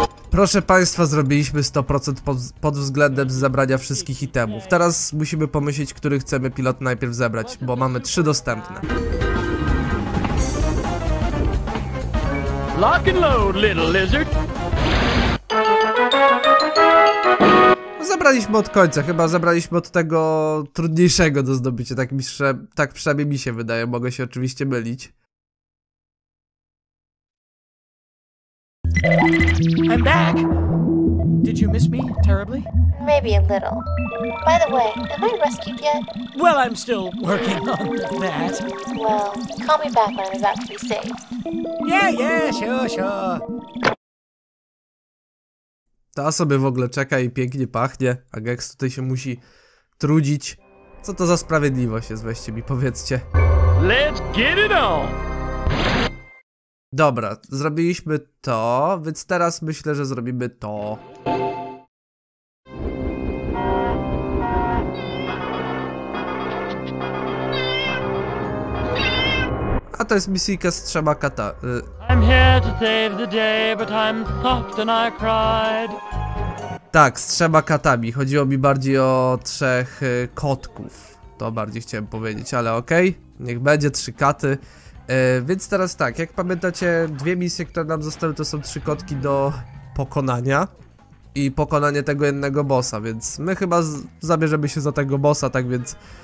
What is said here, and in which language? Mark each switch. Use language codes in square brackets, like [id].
[pl] Proszę Państwa, zrobiliśmy 100% pod względem zebrania wszystkich itemów. Teraz musimy pomyśleć, który chcemy pilot najpierw zebrać, bo mamy 3 dostępne. [en] Lock and load, little lizard. [pl] Zebraliśmy od końca, chyba zebraliśmy od tego trudniejszego do zdobycia, tak przynajmniej mi się wydaje, mogę się oczywiście mylić. [en] I'm back. Did you miss me terribly? Maybe a little. By the way, am I rescued yet? Well, I'm still working on that. Well, call me back when I'm about to be saved. Yeah, sure. [pl] Ta sobie w ogóle czeka i pięknie pachnie, a Gex tutaj się musi trudzić. Co to za sprawiedliwość jest, weźcie mi, powiedzcie. [en] Let's get it on! [pl] Dobra, zrobiliśmy to, więc teraz myślę, że zrobimy to. A to jest misyjka z trzema kata. [en] I'm here to save the day, but I'm soft and I cried. [pl] Tak, z trzema katami. Chodziło mi bardziej o trzech kotków. To bardziej chciałem powiedzieć, ale okej. Okay. Niech będzie trzy katy. Więc teraz tak, jak pamiętacie, dwie misje, które nam zostały, to są trzy kotki do pokonania. I pokonanie tego jednego bossa, więc my chyba zabierzemy się za tego bossa, tak więc...